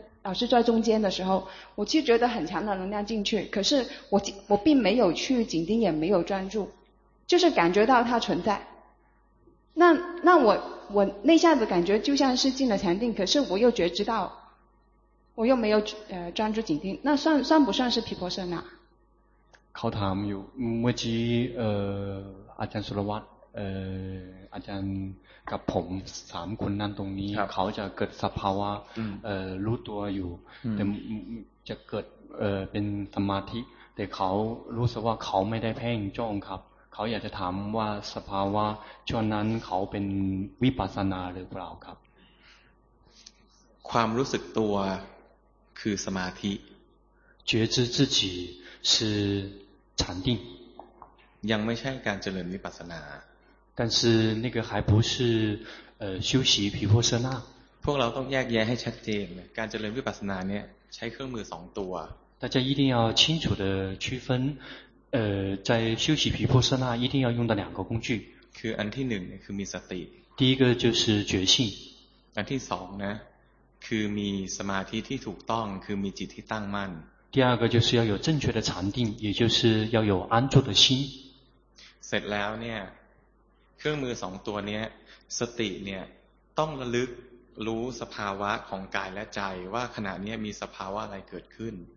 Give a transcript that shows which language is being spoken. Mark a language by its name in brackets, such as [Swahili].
[Chinese] 老师在中间的时候，我就觉得很强的能量进去，可是我并没有去紧盯，也没有专注，就是感觉到它存在。那我那下子感觉就像是进了禅定，可是我又觉知到，我又没有专注紧盯，那算不算是毗婆舍那？考他们有我记阿江说的话 [Thai] อาจารย์กับผมสามคนนั่นตรงนี้เขาจะเกิดสภาวะรู้ตัวอยู่ แต่จะเกิดเป็นสมาธิแต่เขารู้สึกว่าเขาไม่ได้เพ่งจ้องครับเขาอยากจะถามว่าสภาวะช่วงนั้นเขาเป็นวิปัสสนาหรือเปล่าครับ ความรู้สึกตัวคือสมาธิ [Chinese] 觉知自己是禅定 [Thai] ยังไม่ใช่การเจริญวิปัสสนา [Chinese] 但是那个还不是修习毗婆舍那 [Thai] พวกเราต้องแยกแยะให้ชัดเจนการเจริญวิปัสสนาเนี่ยใช้เครื่องมือสองตัว [Chinese] 大家一定要清楚的区分在修习毗婆舍那一定要用的两个工具 [Thai] คืออันที่หนึ่งคือมีสติ [Chinese] 第一个就是觉性 [Thai] อันที่สองนะคือมีสมาธิที่ถูกต้องคือมีจิตที่ตั้งมั่น [Chinese] 第二个就是要有正确的禅定也就是要有安住的心 [Thai] เสร็จแล้วเนี่ยเครื่องมือสองตัวเนี้ยสติเนี่ยต้องระลึกรู้สภาวะของกายและใจว่าขณะนี้มีสภาวะอะไรเกิดขึ้น